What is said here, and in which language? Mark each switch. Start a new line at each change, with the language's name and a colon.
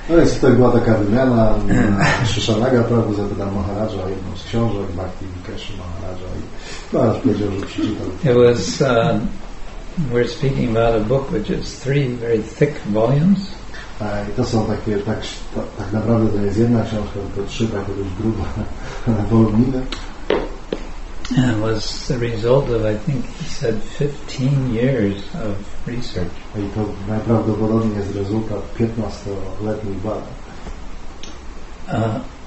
Polish: No jest tutaj była taka wymiana Sheshanaga prawo zapytał Maharaja o jedną z książek Bhakti Vikashi Maharaja i Maharaj powiedział, że przeczytał.
English: It was we're speaking about a book which is three very thick volumes.
Polish: I to są takie, tak naprawdę to jest jedna książka, to trzy takie dość grube woluminy.
English: And it was the result of, I think he said, 15 years of research.
Polish: I to najprawdopodobniej jest rezultat 15-letnich badań.